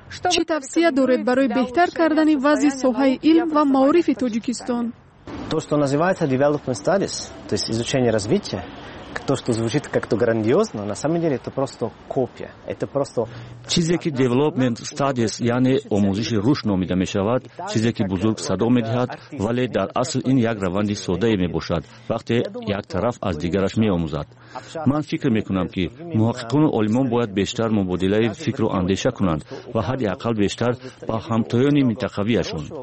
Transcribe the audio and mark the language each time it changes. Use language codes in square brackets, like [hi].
[fa] چی توصیه دارید برای بهتر کردن وضع صحه علم و معارف تاجیکستان؟ [ru] То, что называется development studies, то есть изучение развития, то, что звучит как-то грандиозно, на самом деле это просто копия. Это просто [fa] چیزی که development studies یعنی آموزش روش نامیده می شود، چیزی که بزرگ صدا می دهد، ولی در اصل این یک روند ساده می باشد، وقتی یک طرف از دیگرش می آموزد. من فکر می کنم که محققان و علمان باید بیشتر مبادله فکر و اندیشه کنند و حداقل بیشتر با همتایان منطقوی اشون.